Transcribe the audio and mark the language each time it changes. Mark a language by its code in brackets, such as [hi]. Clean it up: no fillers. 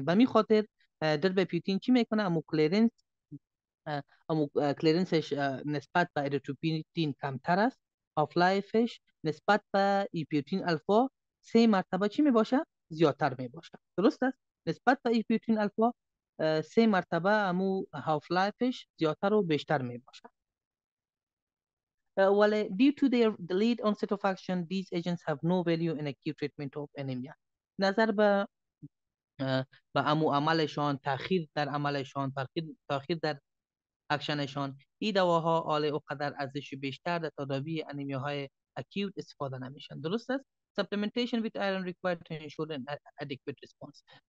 [fa] به می خاطر درب پیوتین چی میکنه؟ امو کلیرنسش نسبت به اریتروپیوتین کمتر است، آف لایفش نسبت به ایپیوتین الفا 3 مرتبه چی میباشه؟ زیادتر میباشه. درست است؟ نسبت به ایپیوتین الفا 3 مرتبه امو هاف لایفش زیادتر و بیشتر میباشه. [en] ولی due to their delayed onset of action these agents have no value in acute treatment of anemia. [fa] نظر به امو عملشان، تاخیر در عملشان، تاخیر در اکشنشان، این دواها آله او قدر ازش بیشتر در تداوی انیمیا های اکیوت استفاده نمیشن. درست است؟ [en] supplementation with iron required to ensure an adequate response.